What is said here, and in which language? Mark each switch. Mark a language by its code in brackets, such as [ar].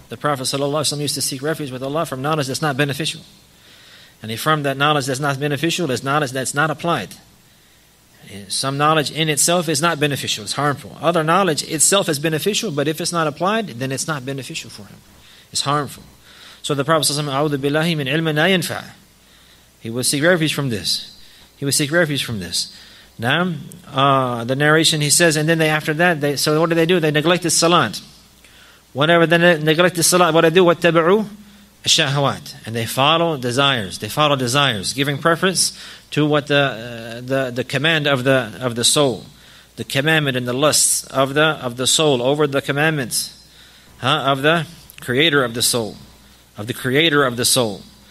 [en] The Prophet ﷺ used to seek refuge with Allah from knowledge that's not beneficial. And affirm that knowledge that's not beneficial is knowledge that's not applied. Some knowledge in itself is not beneficial, it's harmful. Other knowledge itself is beneficial, but if it's not applied, then it's not beneficial for him. It's harmful. So the Prophet ﷺ, [ar] أَعُوذُ بِاللَّهِ مِنْ عِلْمٍ لَا يَنْفَعَ. [en] He would seek refuge from this. He would seek refuge from this. Now, the narration, he says, and then they after that, they so what do? They neglect the salat. Whenever they neglect the salat, what do they do? [ar] وَاتَّبَعُوا الشَّهَوَاتِ. [en] And they follow desires. They follow desires, giving preference to what the command of the soul, the commandment and the lusts of the soul over the commandments of the creator of the soul, of the creator of the soul.